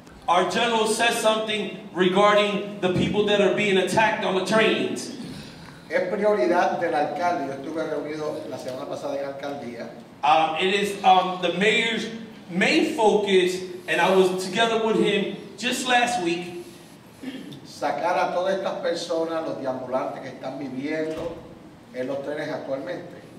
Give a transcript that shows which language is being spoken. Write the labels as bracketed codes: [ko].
[en] Our general says something regarding the people that are being attacked on the trains. [es] Es prioridad del alcalde. Yo estuve reunido la semana pasada en alcaldía. [en] It is the mayor's main focus, and I was together with him just last week. [es] Sacar a todas estas personas, los deambulantes que están viviendo en los trenes actualmente.